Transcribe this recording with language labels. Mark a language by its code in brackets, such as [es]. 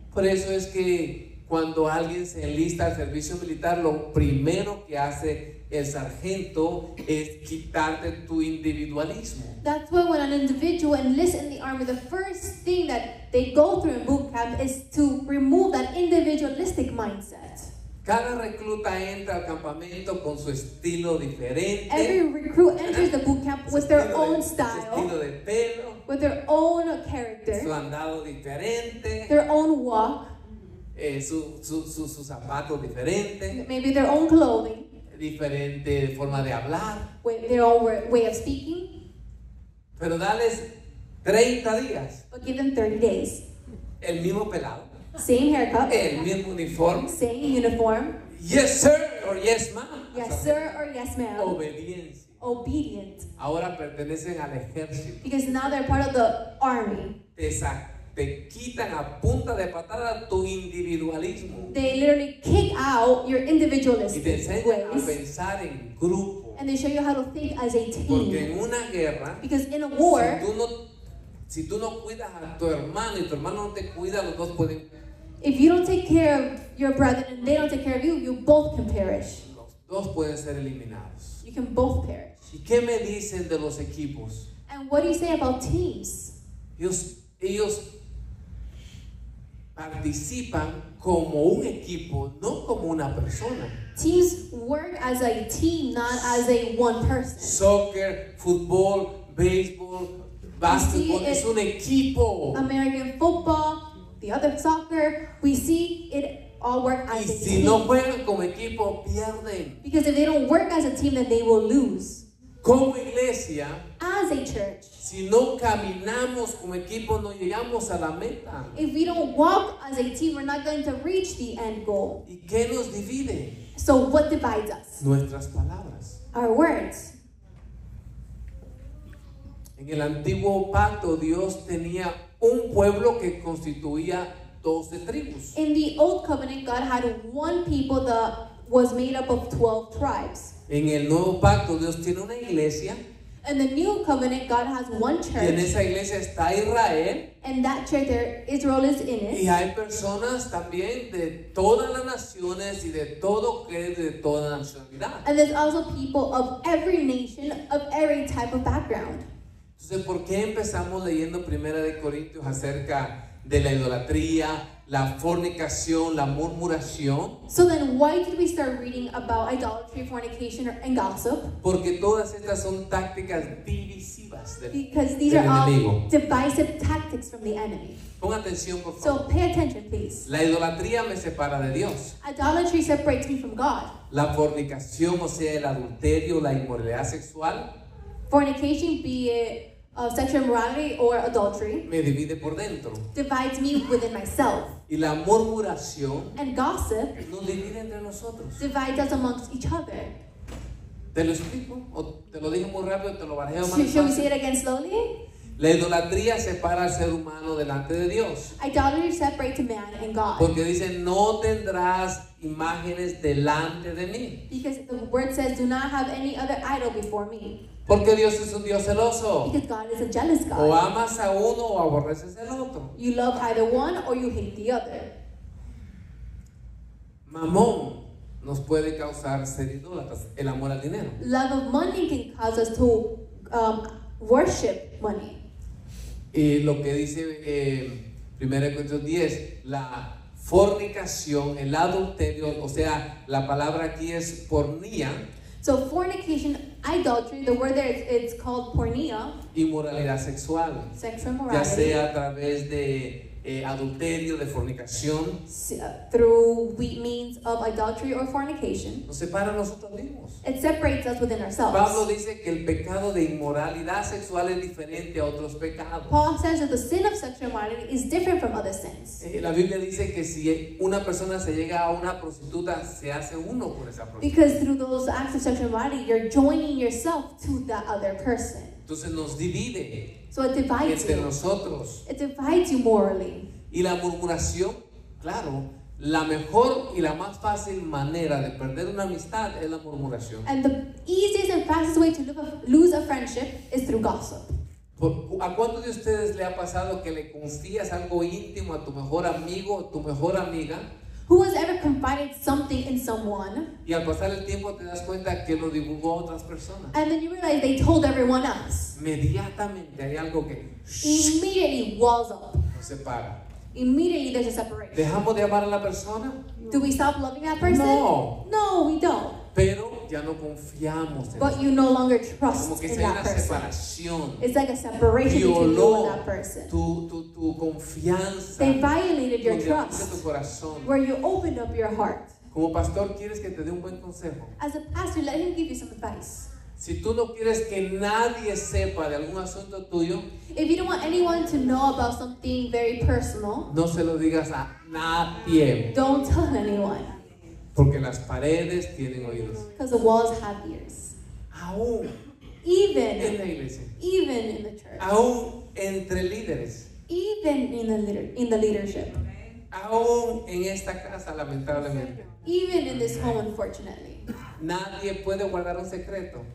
[es] Por eso es que cuando alguien se enlista al servicio militar, lo primero que hace el sargento es quitarte tu individualismo. [en] That's why when an individual enlists in the army, the first thing that they go through in boot camp is to remove that individualistic mindset. [es] Cada recluta entra al campamento con su estilo diferente. [en] Every recruit enters the boot camp with their own style. [es] Su estilo de pelo. [en] With their own character. [es] Su andado diferente. [en] Their own walk. [es] Su zapato diferente. [en] Maybe their own clothing. [es] Diferente forma de hablar. [en] With their own way of speaking. [es] Pero dales 30 días. [en] But give them 30 days. [es] El mismo pelado. [en] Same haircut. [es] El mismo uniforme. [en] Same uniform. Yes, sir, or yes, ma'am. Yes, sir, or yes, ma'am. [es] Obediencia. [en] Obedient. [es] Ahora pertenecen al ejército. [en] Because now they're part of the army. [es] Te quitan a punta de patada tu individualismo. [en] They literally kick out your individualism. [es] Y te enseñan a pensar en grupo. [en] And they show you how to think as a team. [es] Porque en una guerra, [en] because in a war, [es] si tú no cuidas a tu hermano y tu hermano no te cuida, los dos pueden. [en] If you don't take care of your brother and they don't take care of you, you both can perish. [es] Los dos pueden ser eliminados. [en] You can both perish. [es] ¿Y qué me dicen de los equipos? [en] And what do you say about teams? [es] Ellos participan como un equipo, no como una persona. [en] Teams work as a team, not as a one person. [es] Soccer, football, baseball, basketball, es un equipo. [en] American football, the other soccer, we see it all work as a team. [es] Y si no juegan como equipo, pierden. [en] Because if they don't work as a team, then they will lose. [es] Como iglesia, [en] as a church, [es] si no caminamos como equipo, no llegamos a la meta. [en] If we don't walk as a team, we're not going to reach the end goal. [es] ¿Y qué nos divide? [en] So what divides us? [es] Nuestras palabras. [en] Our words. [es] En el antiguo pacto, Dios tenía un pueblo que constituía 12 tribus. [en] In the old covenant, God had one people that was made up of 12 tribes. [es] En el nuevo pacto, Dios tiene una iglesia. [en] In the new covenant, God has one church. [es] Y en esa iglesia está Israel. [en] And that church there, Israel is in it. [es] Y hay personas también de todas las naciones y de todo credo de toda nacionalidad. [en] And there's also people of every nation, of every type of background. [es] Entonces, ¿por qué empezamos leyendo Primera de Corintios acerca de la idolatría, la fornicación, la murmuración? [en] So then why did we start reading about idolatry, fornication, and gossip? [es] Porque todas estas son tácticas divisivas del enemigo. [en] Because these are all divisive tactics from the enemy. [es] Pon atención, por favor. [en] So pay attention, please. [es] La idolatría me separa de Dios. [en] Idolatry separates me from God. [es] La fornicación, o sea, el adulterio, la inmoralidad sexual. [en] Fornication, be it sexual immorality or adultery, [es] me divide por dentro. [en] Divides me within myself. [es] Y la murmuración, [en] and gossip, [es] nos divide entre nosotros. [en] Divides us amongst each other. [es] ¿Te lo explico? ¿O te lo dije muy rápido? ¿Te lo barajé más? [en] Should we say it again slowly? [es] La idolatría separa al ser humano delante de Dios. [en] Idolatry separates man and God. [es] Porque dice, no tendrás imágenes delante de mí. [en] Because the word says, do not have any other idol before me. [es] Porque Dios es un Dios celoso. [en] Because God is a jealous God. [es] O amas a uno o aborreces al otro. [en] You love either one or you hate the other. [es] Mamón nos puede causar ser idólatras, el amor al dinero. [en] Love of money can cause us to worship money. [es] Y lo que dice 1 Corintios 10, la fornicación, el adulterio, o sea, la palabra aquí es pornía. [en] So fornication, idolatry, the word there, it's called pornea. [es] Inmoralidad sexual. [en] Sexual immorality. [es] Ya sea a través de adulterio, de fornicación. [en] Through means of adultery or fornication. [es] Nos separa a nosotros mismos. [en] It separates us within ourselves. [es] Pablo dice que el pecado de inmoralidad sexual es diferente a otros pecados. [en] Paul says that the sin of sexual immorality is different from other sins. [es] La Biblia dice que si una persona se llega a una prostituta, se hace uno por esa prostituta. [en] Because through those acts of sexual immorality, you're joining yourself to that other person. [es] Entonces nos divide. [en] So it divides [es] entre [en] you. [es] Nosotros. [en] It divides you morally. [es] Y la murmuración, claro, la mejor y la más fácil manera de perder una amistad es la murmuración. [en] And the easiest and fastest way to lose a friendship is through gossip. [es] ¿A cuántos de ustedes le ha pasado que le confías algo íntimo a tu mejor amigo, tu mejor amiga? [en] Who has ever confided something in someone? [es] Y al pasar el tiempo te das cuenta que lo divulgó a otras personas. [en] And then you realize they told everyone else. [es] Inmediatamente hay algo que [en] immediately walls up. [es] Nos separa. [en] immediately there's a separation. [es] ¿Dejamos de amar a la persona? [en] Do we stop loving that person? [es] No. [en] No, we don't. [es] Pero ya no confiamos en [en] But [es] eso. [en] You no longer trust [es] Como que [en] in that [es] una [en] person. [es] Separación. [en] It's like a separation [es] Violó [en] between you and that person. [es] Tu confianza. [en] They violated your trust. [es] Tu corazón. [en] Where you opened up your heart. [es] Como pastor, ¿quieres que te dé un buen consejo? [en] As a pastor, let him give you some advice. [es] Si tú no quieres que nadie sepa de algún asunto tuyo, [en] if you don't want anyone to know about something very personal, [es] no se lo digas a nadie. [en] Don't tell anyone. [es] Porque las paredes tienen oídos. [en] Because the walls have ears. [es] Aún. [en] Even. [es] En la iglesia. [en] Even in the church. [es] Aún entre líderes. [en] Even in the leadership. [es] Aún en esta casa, lamentablemente. [en] Even in this home, unfortunately. [es] Nadie puede guardar un secreto.